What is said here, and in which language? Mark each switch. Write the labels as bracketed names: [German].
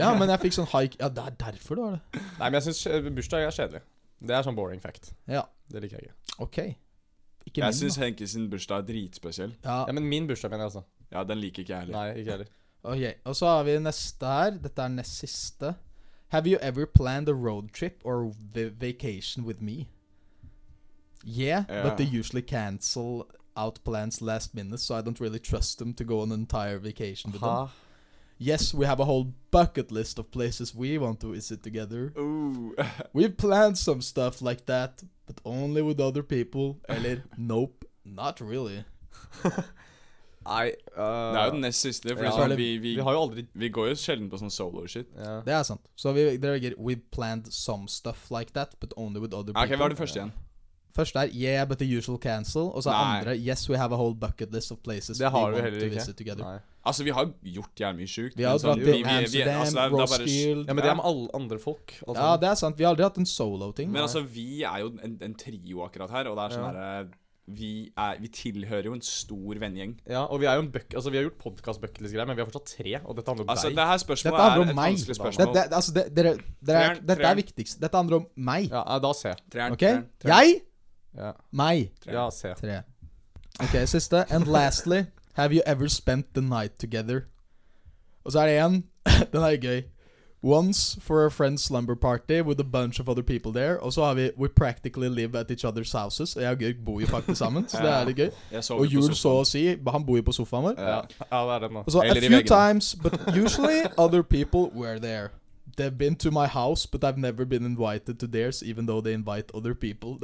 [Norwegian] Ja, men jeg fikk sånn hike. Ja, det er derfor du har det. Nei, men jeg synes bursdag er kjedelig. Det er sånn [English] boring fact. [Norwegian] Ja. Det liker jeg ikke. Ok. Ikke jeg synes Henke sin bursdag er dritspesiell. Ja, men min bursdag mener jeg altså. Ja, den liker ikke jeg heller. Nei, ikke heller. Ok, og så har vi neste her. Dette er nest siste. [English] Have you ever planned a road trip or vacation with me? Yeah, but they usually cancel out plans last minute, so I don't really trust them to go on an entire vacation with them. Yes, we have a whole bucket list of places we want to visit together. Ooh. We've planned some stuff like that, but only with other people. [Norwegian] Eller, [English] nope, not really. [Norwegian] Det er jo den neste siste, for ja, vi har jo aldri... Vi går jo sjelden på sånn solo shit. Ja. Det er sant. Så vi legger, [English] we've planned some stuff like that, but only with other people. [Norwegian] Ok, hva er det første igjen? Første er, [English] yeah, but the usual cancel. [Norwegian] Og så andre, [English] yes, we have a whole bucket list of places we want to visit together. [Norwegian] Nei. Altså, vi har gjort jævlig mye sykt. Vi har jo dratt til Amsterdam, Roskilde. Ja, men det er med alle andre folk. Altså. Ja, det er sant. Vi har aldri hatt en solo-ting. Men altså, vi er jo en trio akkurat her, og det er sånn her... Vi tilhører jo en stor venngjeng. Ja, og vi er jo en bøkke. Altså, vi har gjort podcast-bøkkelis-greier, men vi har fortsatt tre, og dette handler om altså, deg. Altså, det her spørsmålet er et meg. Vanskelig spørsmål. Dette er viktigst. Dette handler om meg. Ja, da se. Treren. Ok? Jeg? Ja. Meg? Ja, se. Tre. Ok, siste. [English] And lastly, have you ever spent the night together? [Norwegian] Og så er det en. Den er jo gøy. [English] Once for a friend's slumber party with a bunch of other people there. [Norwegian] Og så har vi, [English] we practically live at each other's houses. [Norwegian] Jeg og Georg bor jo faktisk sammen, så det er litt gøy. Og Jul så å si, han bor jo på sofaen vår. Ja, det er det nå. Og så, [English] a few times, but usually other people were there. They've been to my house, but I've never been invited to theirs, even though they invite other people.